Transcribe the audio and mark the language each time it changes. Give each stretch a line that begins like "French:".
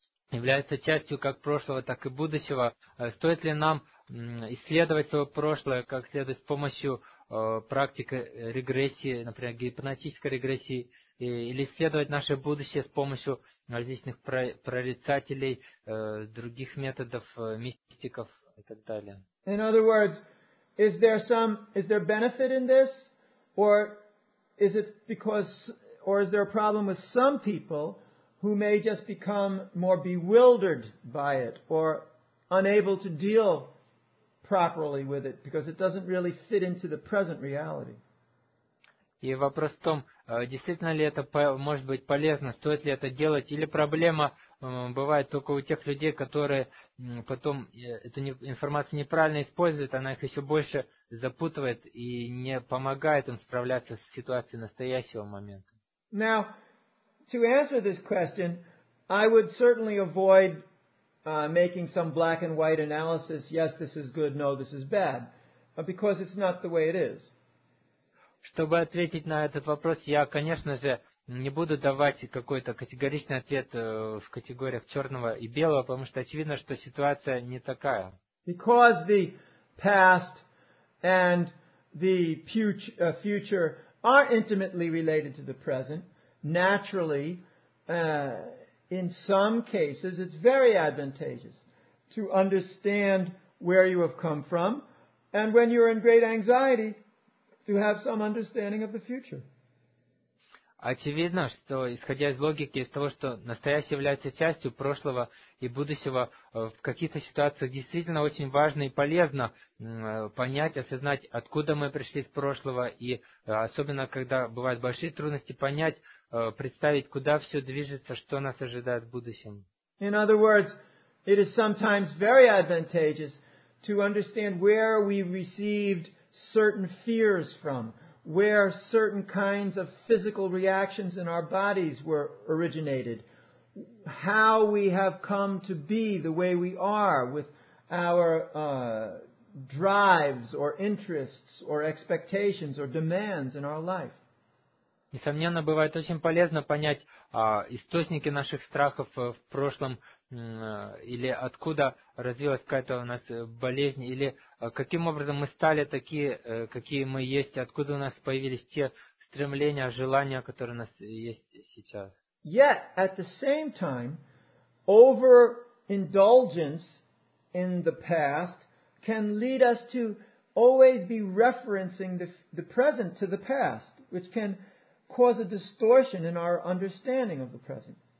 Russian: является частью как прошлого, так и будущего. Стоит ли нам исследовать свое прошлое как следует с помощью практики регрессии, например, гипнотической регрессии, или исследовать наше будущее с помощью различных прорицателей, других методов, мистиков и так далее?
English: In other words, is there benefit in this, or is it because, or is there a problem with some people who may just become more bewildered by it or unable to deal properly with it because it doesn't really fit into the present reality?
Russian: И вопрос в том, действительно ли это может быть полезно, стоит ли это делать, или проблема бывает только у тех людей, которые потом эту информацию неправильно используют, она их еще больше запутывает и не помогает им справляться с ситуацией настоящего момента.
English: Now, to answer this question, I would certainly avoid making some black and white analysis, yes, this is good, no, this is bad, because it's not the way it is.
Russian: Чтобы ответить на этот вопрос, я, конечно же, не буду давать какой-то категоричный ответ в категориях черного и белого, потому что очевидно, что ситуация не такая.
English: Because the past and the future are intimately related to the present, naturally, in some cases, it's very advantageous to understand where you have come from, and when you're in great anxiety, to have some understanding of the future.
Russian: Очевидно, что исходя из логики, из того, что настоящее является частью прошлого и будущего, в каких-то ситуациях действительно очень важно и полезно понять, осознать, откуда мы пришли из прошлого, и особенно, когда бывают большие трудности, понять, представить, куда все движется, что нас ожидает в будущем.
English: In other words, it is sometimes very advantageous to understand where we received certain fears from, where certain kinds of physical reactions in our bodies were originated, how we have come to be the way we are with our drives or interests or expectations or demands in our life.
Russian: Несомненно, бывает очень полезно понять источники наших страхов в прошлом, или откуда развилась какая-то у нас болезнь, или каким образом мы стали такие, какие мы есть, откуда у нас появились те стремления, желания, которые у нас есть сейчас.
English: Yet, at the same time, overindulgence in the past can lead us to always be referencing the present to the past, which can cause a distortion in our understanding of the present.